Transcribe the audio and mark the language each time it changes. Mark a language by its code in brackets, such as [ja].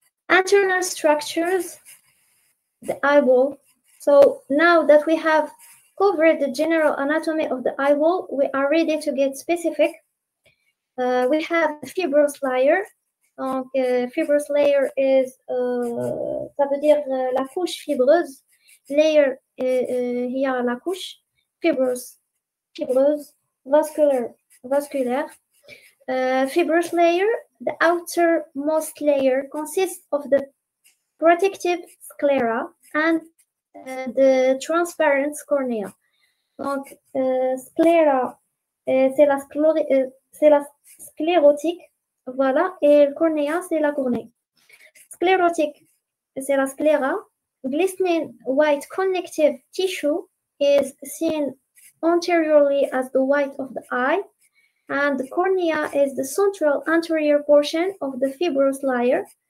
[en] Internal structures. The eyeball. So now that we have covered the general anatomy of the eyeball, we are ready to get specific. We have the fibrous layer. [fr] Donc, [en] fibrous layer is, [fr] ça veut dire la couche fibreuse. Layer, il y a la couche. Fibrous, fibreuse. [en] Vascular, vasculaire. Fibrous layer, the outermost layer consists of the protective sclera and the transparent cornea. [fr] Donc, scléra, c'est la sclérotique, voilà, et cornea, c'est la cornée. Sclérotique, c'est la scléra. [en] Glistening white connective tissue is seen anteriorly as the white of the eye, and the cornea is the central anterior portion of the fibrous layer.